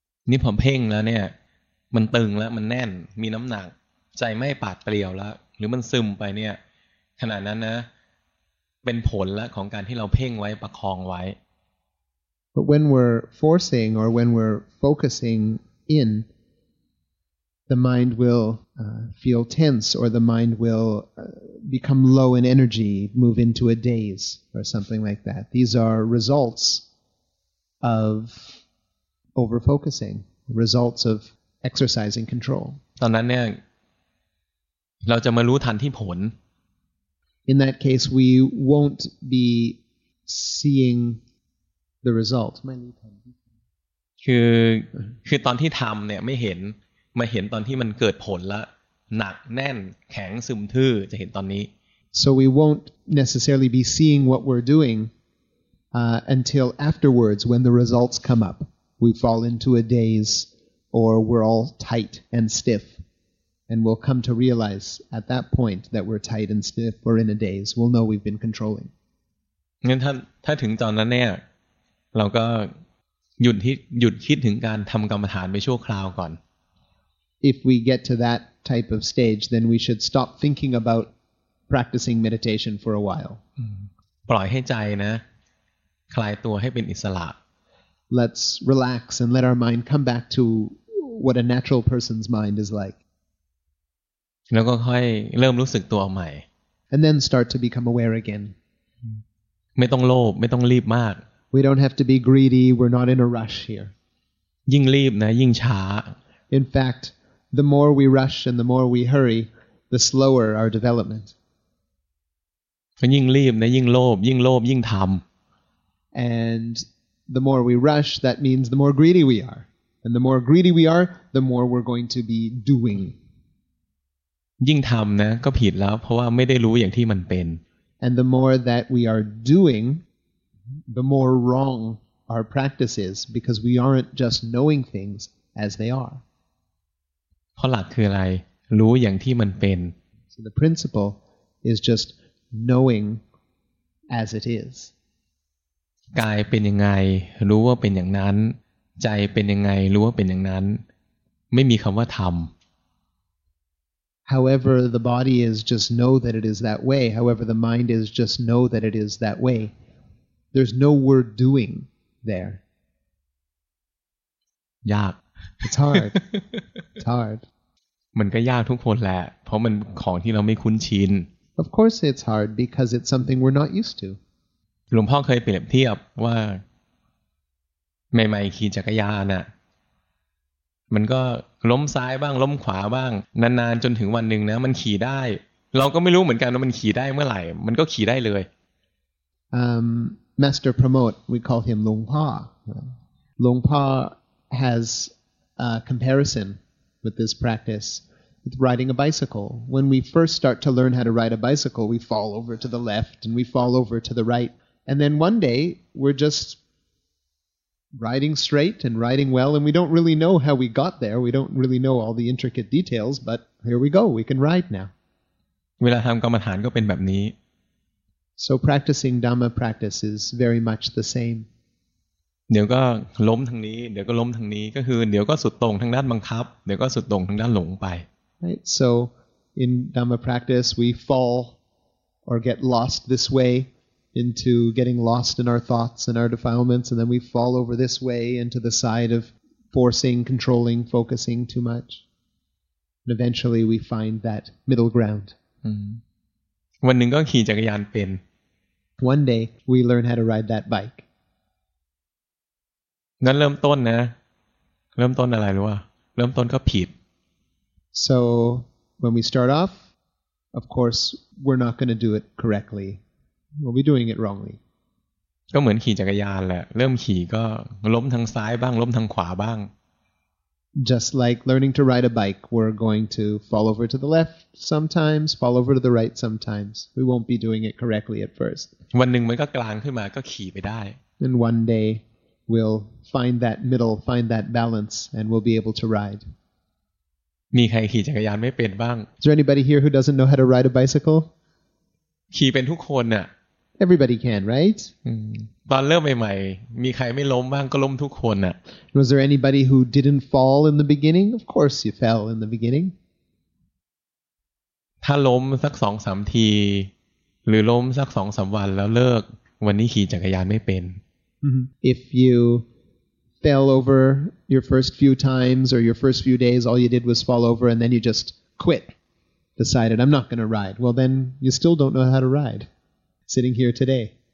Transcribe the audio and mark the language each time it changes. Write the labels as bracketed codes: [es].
[th] นี่ผมเพ่งแล้วเนี่ยมันตึงแล้วมันแน่นมีน้ำหนักใจไม่ปาดเปรียวแล้วหรือมันซึมไปเนี่ยขณะนั้นนะเป็นผลแล้วของการที่เราเพ่งไว้ประคองไว้ [en] But when we're forcing or when we're focusing in, the mind will feel tense or the mind will become low in energy, move into a daze or something like that. These are results of over-focusing, results of exercising control. [th] ตอนนั้นเนี่ยเราจะมารู้ทันที่ผล [en] In that case, we won't be seeing... The result. [th] คือตอนที่ทำเนี่ยไม่เห็นมาเห็นตอนที่มันเกิดผลแล้วหนักแน่นแข็งซึมทื่อจะเห็นตอนนี้ [en] So we won't necessarily be seeing what we're doing until afterwards when the results come up. We fall into a daze or we're all tight and stiff, and we'll come to realize at that point that we're tight and stiff or in a daze. We'll know we've been controlling. [th] งั้นถ้าถึงตอนนั้นเนี่ยเราก็หยุดคิดถึงการทำกรรมฐานไปชั่วคราวก่อน [en] If we get to that type of stage then we should stop thinking about practicing meditation for a while [th] ปล่อยให้ใจนะคลายตัวให้เป็นอิสระ [en] Let's relax and let our mind come back to what a natural person's mind is like [th] แล้วก็ค่อยเริ่มรู้สึกตัวใหม่ [en] And then start to become aware again [th] ไม่ต้องโลภไม่ต้องรีบมาก [en] We don't have to be greedy. We're not in a rush here. [th] ยิ่งรีบนะยิ่งช้า [en] In fact, the more we rush and the more we hurry, the slower our development. [th] ยิ่งรีบนะยิ่งโลภยิ่งโลภยิ่งทำ [en] And the more we rush, that means the more greedy we are. And the more greedy we are, the more we're going to be doing. [th] ยิ่งทำนะก็ผิดแล้วเพราะว่าไม่ได้รู้อย่างที่มันเป็น [en] And the more that we are doing,The more wrong our practice is because we aren't just knowing things as they are. [th] เพราะหลักคืออะไรรู้อย่างที่มันเป็น [en] So the principle is just knowing as it is. [th] กายเป็นยังไงรู้ว่าเป็นอย่างนั้นใจเป็นยังไงรู้ว่าเป็นอย่างนั้นไม่มีคำว่าทำ [en] However, the body is just know that it is that way. However, the mind is just know that it is that way. There's no word doing there. [th] ยาก [en] It's hard. It's hard. [th] มันก็ยากทุกคนแหละเพราะมันของที่เราไม่คุ้นชิน [en] Of course it's hard because it's something we're not used to. [th] หลวงพ่อเคยเปรียบเทียบว่าใหม่ๆขี่จักรยานอ่ะมันก็ล้มซ้ายบ้างล้มขวาบ้างนานๆจนถึงวันหนึ่งนะมันขี่ได้เราก็ไม่รู้เหมือนกันว่ามันขี่ได้เมื่อไหร่มันก็ขี่ได้เลย [en] Master Pramod, we call him Lung Pa. Lung Pa has a comparison with this practice with riding a bicycle. When we first start to learn how to ride a bicycle, we fall over to the left and we fall over to the right. And then one day, we're just riding straight and riding well, and we don't really know how we got there. We don't really know all the intricate details, but here we go. We can ride now. [th] เวลาทำกรรมฐานก็เป็นแบบนี้ [en] So practicing Dhamma practice is very much the same. [th] เดี๋ยวก็ล้มทางนี้เดี๋ยวก็ล้มทางนี้ก็คือเดี๋ยวก็สุดตรงทางด้านบังคับเดี๋ยวก็สุดตรงทางด้านหลงไป [en] Right. So in Dhamma practice, we fall or get lost this way into getting lost in our thoughts and our defilements, and then we fall over this way into the side of forcing, controlling, focusing too much. And eventually, we find that middle ground. [th] วันหนึ่งก็ขี่จักรยานเป็น [en] One day we learn how to ride that bike [th] งั้นเริ่มต้นนะเริ่มต้นอะไรรู้ป่ะเริ่มต้นก็ผิด [en] So when we start off of course we're not going to do it correctly we'll be doing it wrongly [th] ก็เหมือนขี่จักรยานแหละเริ่มขี่ก็ล้มทางซ้ายบ้างล้มทางขวาบ้าง [en] Just like learning to ride a bike we're going to fall over to the left sometimes fall over to the right sometimes we won't be doing it correctly at first [th] วันนึงมันก็กลางขึ้นมาก็ขี่ไปได้ [en] Then one dayWe'll find that middle, find that balance, and we'll be able to ride. [th] มีใครขี่จักรยานไม่เป็นบ้าง [en] Is there anybody here who doesn't know how to ride a bicycle? [th] ขี่เป็นทุกคนน่ะ [en] Everybody can, right? [th] ตอนเริ่มใหม่ๆมีใครไม่ล้มบ้างก็ล้มทุกคนน่ะ [en] Was there anybody who didn't fall in the beginning? Of course you fell in the beginning. [th] ถ้าล้มสัก 2-3 ทีหรือล้มสัก 2-3 วันแล้วเลิกวันนี้ขี่จักรยานไม่เป็น [en] If you fell over your first few times or your first few days, all you did was fall over and then you just quit, decided, I'm not going to ride. Well, then you still don't know how to ride, sitting here today.